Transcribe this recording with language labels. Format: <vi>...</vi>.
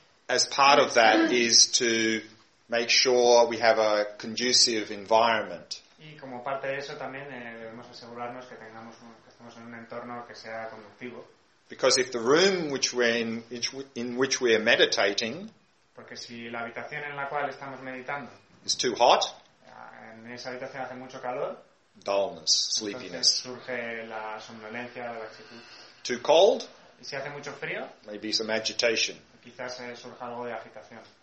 <en>As part of that is to make sure we have a conducive environment.</en> <es>Y como parte de eso también debemos asegurarnos que tengamos que estemos en un entorno que sea conductivo.</es> <en>Because if the room which we're in which we are meditating,</en> <es>porque si la habitación en la cual estamos meditando</es> <en>is too hot,</en> <es>en esa habitación hace mucho calor,</es> <en>dullness, sleepiness.</en> <es>Entonces surge la somnolencia, la laxitud.</es> <en>Too cold.</en> <es>Y si hace mucho frío,</es> <en>maybe some agitation.</en> <es>Quizás surja algo de agitación.</es>